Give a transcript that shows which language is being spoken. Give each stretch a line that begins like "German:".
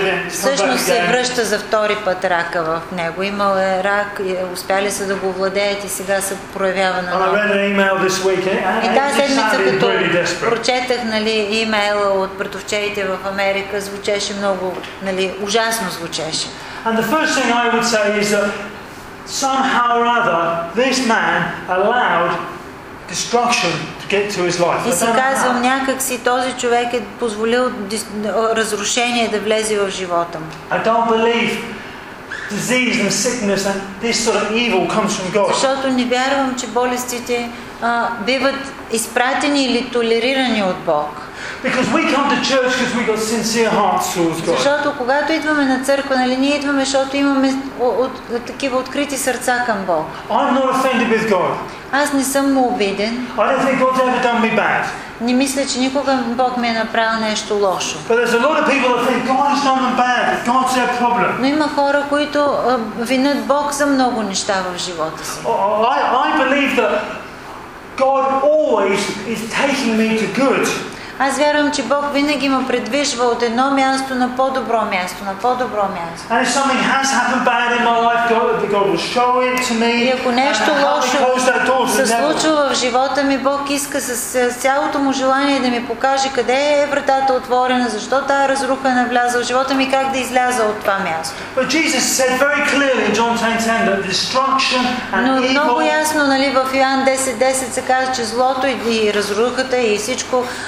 Bulgarian: Всъщност се връща за втори път рака в него. Имал е рак, успяли са да го владеят и сега се проявява на ново. И тази седмица, като прочетах, нали, имейла от братовчетите в Америка, звучеше много, нали, ужасно звучеше.
English: And the first thing I would say is that somehow or other this man allowed destruction to get to his life.
Bulgarian: И си казвам, някак си този човек е позволил разрушение да влезе в живота му.
English: I don't believe disease and sickness and this sort of evil comes from God.
Bulgarian: Защото не вярвам, че болестите биват изпратени или толерирани от Бог.
English: Because we come to church because we got sincere hearts towards God.
Bulgarian: Защото когато идваме на църква, нали, ние идваме, защото имаме от такива открити сърца към Бог.
English: I'm not offended with God.
Bulgarian: Аз не съм му обиден.
English: I don't think God's ever done me bad.
Bulgarian: Не мисля, че никога Бог ми е направил нещо лошо.
English: But there's a lot of people that think God has done them bad. God's their problem.
Bulgarian: Но има хора, които винят Бог за много неща в живота си.
English: I believe that God always is taking me to good.
Bulgarian: Аз вярвам, че Бог винаги ме предвижва от едно място на по-добро място, на по-добро място.
English: And if something has happened bad in my life, God will show it to me.
Bulgarian: И ако нещо лошо се случва в живота ми, Бог иска с цялото му желание да ми покаже къде е вратата отворена, защо тая разруха навлязла в живота ми, как да изляза от това място.
English: But Jesus said very clearly in John 10:10 that destruction and evil.
Bulgarian: Но много ясно, нали, в Йоан 10:10 се казва, че злото и разрухата и всичко